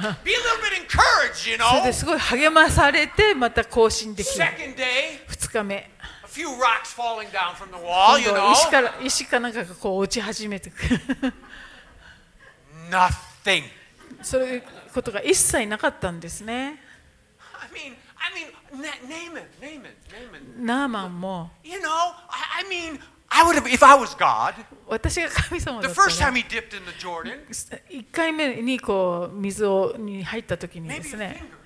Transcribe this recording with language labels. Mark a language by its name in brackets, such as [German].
[Japanese] それですごい励まされてまた行進できる。 2 日目。 [English] A few rocks falling down from the wall, you know. [Japanese] 石かなんかがこう落ち始めてく [English] る。Nothing. [Japanese] そういうことが一切なかったんですね。 [English] I mean, Naaman. [Japanese] ナーマンも。 [English] You know, I mean, I would have, if I was God. [Japanese] 私が神様だったら。 [English] The first time he dipped in the Jordan. [Japanese] 一回目にこう水をに入った時にですね。